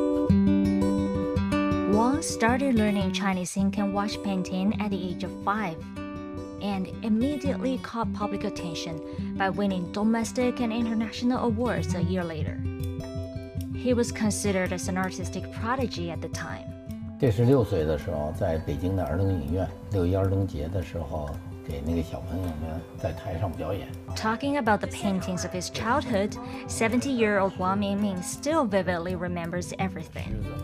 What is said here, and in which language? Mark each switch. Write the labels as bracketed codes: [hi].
[zh] 同样人物并没有画的特别的细，对，动态和情绪到了就可以。好像您的人物的创作里面，中景和远景用的比较多。对，这样能在小尺幅里能画出一种大的气魄来。 [en] Wang started learning Chinese ink and wash painting at the age of 5. And immediately caught public attention by winning domestic and international awards a year later. He was considered as an artistic prodigy at the time. [zh] 这是六岁的时候，在北京的儿童影院六一儿童节的时候，给那个小朋友们在台上表演。Talking [en] about the paintings of his childhood, 70-year-old Wang Mingming still vividly remembers everything.